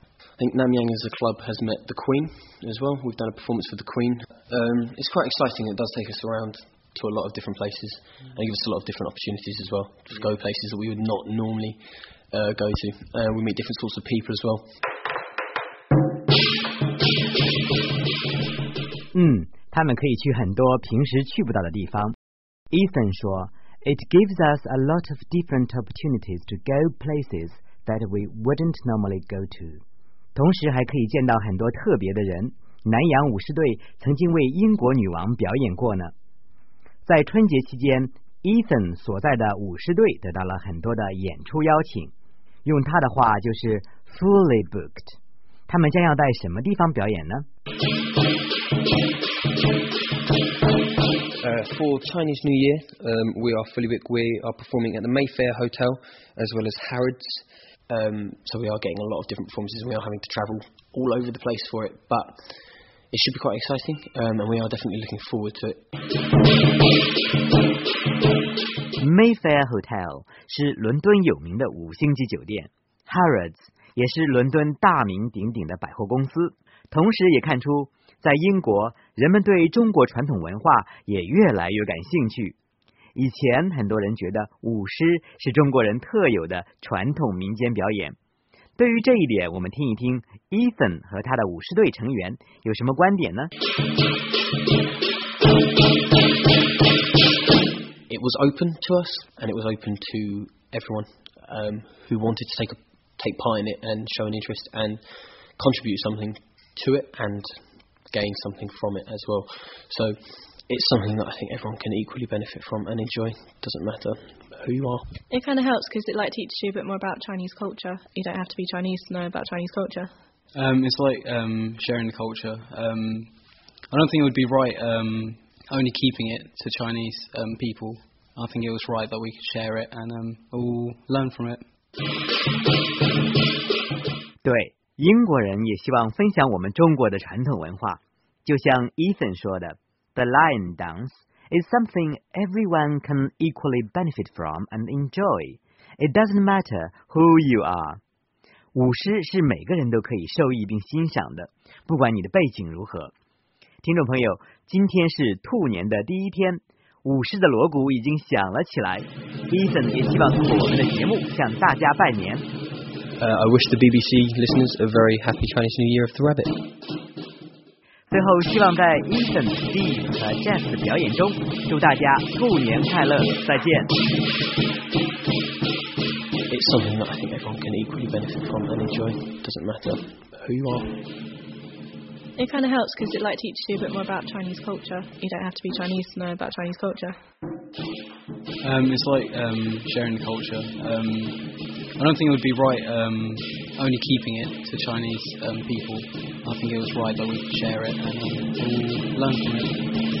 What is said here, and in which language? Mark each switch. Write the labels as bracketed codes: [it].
[en] I think Namyang as a club has met the Queen as well. We've done a performance for the Queen. It's quite exciting. It does take us around to a lot of different places, and gives us a lot of different opportunities as well to go places that we would not normally go to. We meet different sorts of people as well. [zh] 他们可以去很多平时去不到的地方。 [en] Ethan [zh] 说 [en] ,It gives us a lot of different opportunities to go places that we wouldn't normally go to. [zh] 同时还可以见到很多特别的人。南洋舞狮队曾经为英国女王表演过呢。在春节期间 ,Ethan 所在的舞狮队得到了很多的演出邀请。用他的话就是 fully booked. 他们将要在什么地方表演呢？ [en] For Chinese New Year, we are fully booked. We are performing at the Mayfair Hotel as well as Harrods. So we are getting a lot of different performances. We are having to travel all over the place for it, but it should be quite exciting, and we are definitely looking forward to it. [zh] Mayfair Hotel 是伦敦有名的五星级酒店。 Harrods 也是伦敦大名鼎鼎的百货公司。同时也看出在英国，人们对中国传统文化也越来越感兴趣。以前很多人觉得舞狮是中国人特有的传统民间表演。对于这一点，我们听一听 Ethan 和他的舞狮队成员有什么观点呢？ [en] It was open to us, and it was open to everyone, who wanted to take part in it and show an interest and contribute something to it andgain something from it as well. So it's something that I think everyone can equally benefit from and enjoy. Doesn't matter who you are. It kind of helps because it like teaches you a bit more about Chinese culture. You don't have to be Chinese to know about Chinese culture. It's like sharing the culture. I don't think it would be right only keeping it to Chinese people. I think it was right that we could share it and all learn from it. [zh] 对，英国人也希望分享我们中国的传统文化。就像 [en] Ethan [zh] 说的 [en] ，The Lion Dance is something everyone can equally benefit from and enjoy. It doesn't matter who you are. [zh] 舞狮是每个人都可以受益并欣赏的，不管你的背景如何。听众朋友，今天是兔年的第一天，舞狮的锣鼓已经响了起来。 Ethan 也希望通过我们的节目向大家拜年。 [en] I wish the BBC listeners a very happy Chinese New Year of the Rabbit. [zh] 最后，希望在 Ethan、Steve 和 Jess 的表演中，祝大家兔年快乐！再见。 [en] It's something that I think everyone can equally benefit from and enjoy. Doesn't matter who you are. It kind of helps because it like teaches you a bit more about Chinese culture. You don't have to be Chinese to know about Chinese culture. It's like sharing the culture. I don't think it would be right only keeping it to Chinese people. I think it was right that we could share it and all learn from it.